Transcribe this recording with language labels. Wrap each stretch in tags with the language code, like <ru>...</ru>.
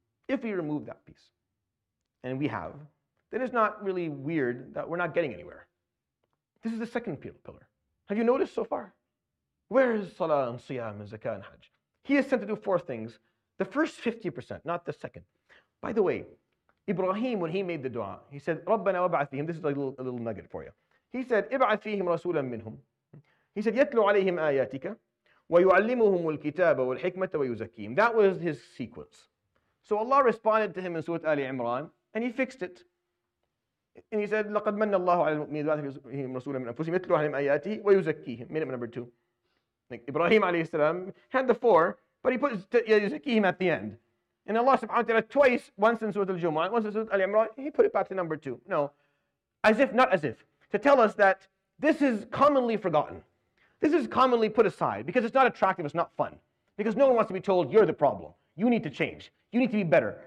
<en>If we remove that piece, and we have, then it's not really weird that we're not getting anywhere. This is the second pillar. Have you noticed so far? Where is salah and siyam and zakah and hajj? He is sent to do four things. The first 50%, not the second. By the way, Ibrahim, when he made the dua, he said,</en> <ar>رَبَّنَا وَبَعَثْ فِيهِمْ.</ar> <en>This is like a little nugget for you. He said,</en> <ar>إِبْعَثْ فِيهِمْ رَسُولًا مِّنْهُمْ. He said, يَتْلُوا عَلَيْهِمْ آيَاتِكَ وَيُعَلِّمُهُمُ الْكِتَابَ وَالْحِكْمَةَ وَيُزَكِّيهِمْ.</ar> <en>That was his sequence. So Allah responded to him in Surah Ali Imran, and he fixed it. And he said,</en> <ar>لَقَدْ مَنَّ اللَّهُ عَلَى الْمُؤْمِنِينَ إِذْ بَعَثَ فِيهِمْ رَسُولًا مِّنْ أَنفُسِهِمْ يَتْلُوا عَلَيْهِمْ آيَاتِهِ وَيُزَكِّيهِمْ.</ar> <en>Minute number two. Like Ibrahim alayhi salam had the four, but he put يُزَكِّيهِمْ at the end. And Allah subhanahu wa ta'ala twice, once in Surah Al-Jumu'ah, once in Surah Al-Imran, he put it back to number two. No, as if, not as if, to tell us that this is commonly forgotten. This is commonly put aside because it's not attractive, it's not fun. Because no one wants to be told, you're the problem. You need to change. You need to be better.</en>